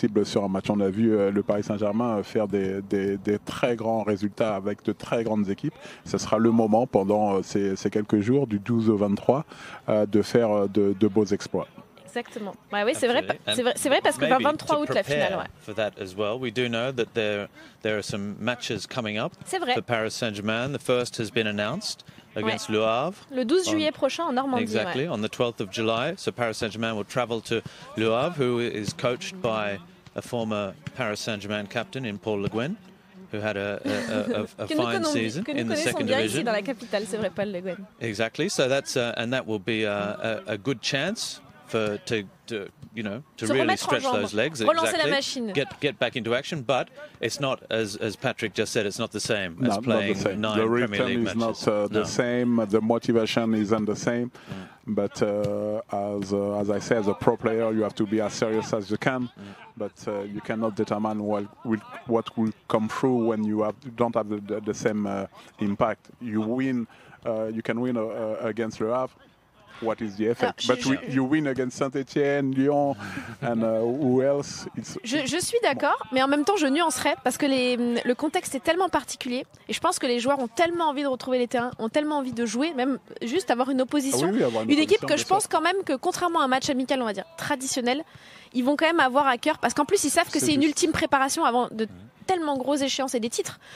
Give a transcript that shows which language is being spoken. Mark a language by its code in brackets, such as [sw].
[fr] possible sur un match. On a vu le Paris Saint-Germain faire des très grands résultats avec de très grandes équipes. Ce sera le moment pendant ces quelques jours, du 12 au 23, de faire de beaux exploits. Exactement. Ouais, oui, c'est vrai parce que le 23 août la finale. Ouais. [en] For that as well, we do know that there are some matches coming up. [fr] C'est vrai. [en] For Paris Saint-Germain, the first has been announced against Le Havre. [fr] Le 12 juillet prochain en Normandie. [en] Exactly. [fr] Ouais. [en] On the 12th of July, so Paris Saint-Germain will travel to Le Havre, who is coached by a former Paris Saint-Germain captain in Paul Le Guin, who had a fine season in the second division. [fr] Que nous connaissons bien ici dans la capitale, c'est vrai, Paul Le Guin. [en] Exactly. So that's and that will be a good chance. To really stretch those legs, get back into action. But it's not as Patrick just said. It's not the same as playing nine Premier League matches. The return is not the same. The motivation isn't the same. But as I say, as a pro player, you have to be as serious as you can. But you cannot determine what will come through when don't have the same impact. You win. You can win against Le Havre. What is the effect? You win against Saint-Etienne, Lyon, and who else? [fr] Je suis d'accord, mais en même temps, je nuancerais parce que le contexte est tellement particulier et je pense que les joueurs ont tellement envie de retrouver les terrains, ont tellement envie de jouer, même juste avoir une opposition. Ah oui, avoir une équipe que je pense quand même que, contrairement à un match amical, on va dire traditionnel, ils vont quand même avoir à cœur parce qu'en plus, ils savent que c'est une ultime préparation avant de tellement grosses échéances et des titres.